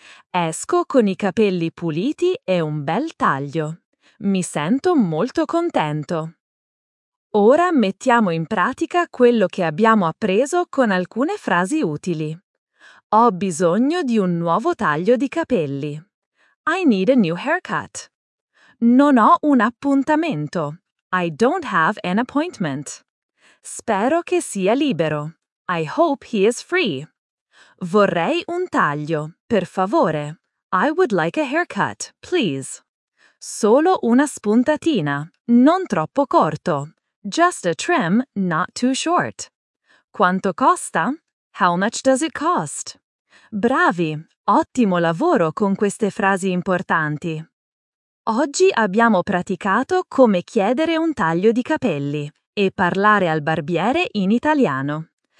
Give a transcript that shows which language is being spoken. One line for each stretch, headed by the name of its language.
Italian: Esco con i capelli puliti e un bel taglio. Mi sento molto contento. Ora mettiamo in pratica quello che abbiamo appreso con alcune frasi utili. Ho bisogno di un nuovo taglio di capelli.
English: I need a new haircut.
Italian: Non ho un appuntamento.
English: I don't have an appointment.
Italian: Spero che sia libero.
English: I hope he is free.
Italian: Vorrei un taglio, per favore.
English: I would like a haircut, please.
Italian: Solo una spuntatina, non troppo corto.
English: Just a trim, not too short.
Italian: Quanto costa?
English: How much does it cost?
Italian: Bravi! Ottimo lavoro con queste frasi importanti. Oggi abbiamo praticato come chiedere un taglio di capelli e parlare al barbiere in italiano.